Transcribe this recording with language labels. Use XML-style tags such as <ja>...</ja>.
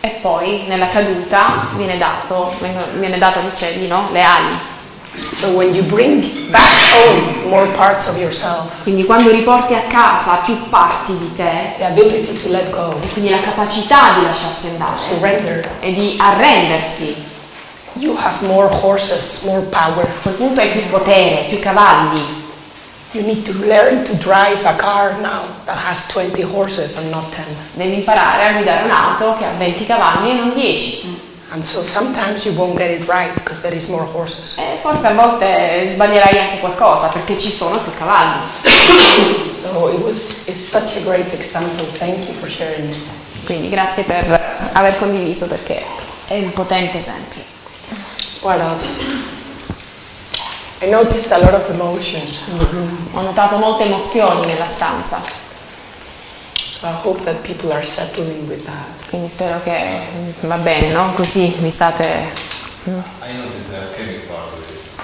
<it>E poi nella caduta viene dato all'uccello, no? Le ali.</it> <en>So when you bring back home more parts of yourself.</en> <it>Quindi quando riporti a casa più parti di te.</it> <en>The ability to let go.</en> <it>E quindi la capacità di lasciarsi andare.</it> <en>Surrender.</en> <it>E di arrendersi.</it> <en>You have more horses, more power.</en> <it>A quel punto hai più potere, più cavalli.</it> <en>You need to learn to drive a car now that has 20 horses and not 10.</en> <it>Devi imparare a guidare un'auto che ha 20 cavalli e non 10.</it> <en>And so sometimes you won't get it right because there is more horses.</en> <it>E forse a volte sbaglierai anche qualcosa perché ci sono più cavalli.</it> <en>So it's such a great example. Thank you for sharing it.</en> <it>Quindi grazie per aver condiviso perché è un potente esempio.</it> <en>What else? I noticed a lot of emotions in the room.</en> <it>Ho notato molte emozioni nella stanza.</it> <en>So I hope that people are settling with that.</en> <it>Quindi spero che va bene, no? Così mi state.</it> <en>I noticed the chemical part of it.</en>